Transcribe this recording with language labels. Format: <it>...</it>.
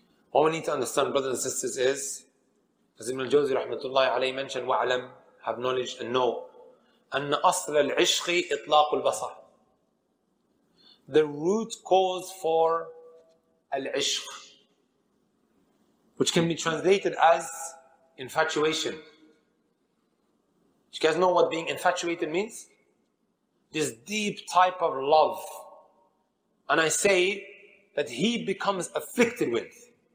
<en>What we need to understand, brothers and sisters, is as Ibn al-Jawzi rahmatullahi alayhi mentioned, wa'alam, have knowledge and know.</en> <ar>أن أصل العشق إطلاق البصر.</ar> <en>The root cause for العشق, which can be translated as infatuation. Do you guys know what being infatuated means? This deep type of love. And I say that he becomes afflicted with.</en>